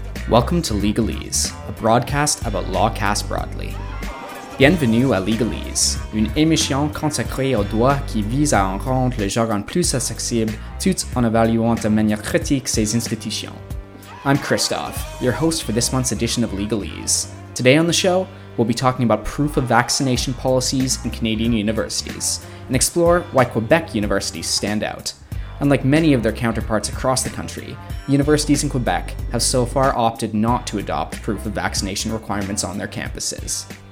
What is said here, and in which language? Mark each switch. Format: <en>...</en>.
<en>Welcome to Legalese, a broadcast about lawcast broadly.</en> <fr>Bienvenue à Legalese, une émission consacrée aux droits qui vise à en rendre le jargon plus accessible tout en évaluant de manière critique ses institutions.</fr> <en>I'm Christophe, your host for this month's edition of Legalese. Today on the show, we'll be talking about proof of vaccination policies in Canadian universities and explore why Quebec universities stand out. Unlike many of their counterparts across the country, universities in Quebec have so far opted not to adopt proof of vaccination requirements on their campuses.</en>